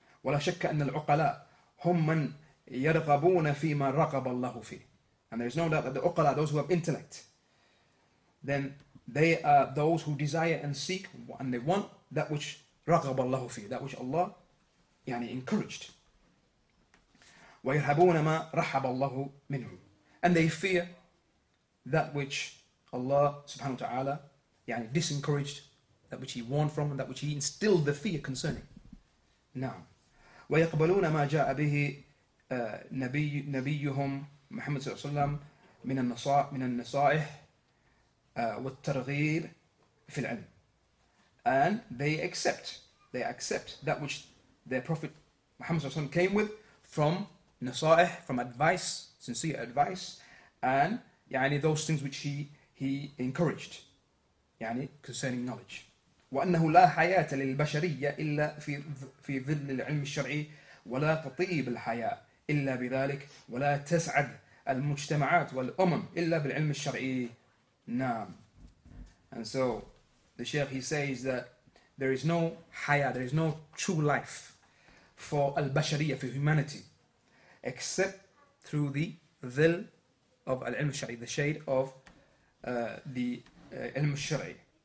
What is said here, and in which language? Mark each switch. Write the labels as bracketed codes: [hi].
[ar] ولا شك أن العقلاء هم من يرغبون فيما رغب الله فيه. [en] And there is no doubt that the uqala, those who have intellect, then they are those who desire and seek and they want that which [ar] رغب الله فيه, [en] that which Allah يعني encouraged. [ar] وَيَرْحَبُونَ مَا رَحَبَ اللَّهُ مِنْهُ. [en] And they fear that which Allah subhanahu wa ta'ala يعني disencouraged, that which He warned from, and that which He instilled the fear concerning. [ar] Now, وَيَقْبَلُونَ مَا جَاءَ بِهِ نَبِيُّهُمْ Muhammad sallallahu alayhi wa sallam مِنَ النَّصَائِحِ مِنَ النَّصَائِحِ وَالتَّرْغِيبِ فِي الْعِلْمِ. [en] And they accept that which their Prophet Muhammad sallallahu alayhi wa sallam came with from nasa'ih, from advice, sincere advice, and يعني those things which he encouraged, يعني concerning knowledge. [ar] وأنه لا حياة للبشرية إلا في ظل العلم الشرعي ولا تطيب الحياة إلا بذلك ولا تسعد المجتمعات والأمم إلا بالعلم الشرعي. نعم. [en] And so the Sheikh, he says that there is no حياة, there is no true life for البشرية, for humanity, except through the dhil of al-ilm al-shar'i, the shade of the ilm al-shar'i.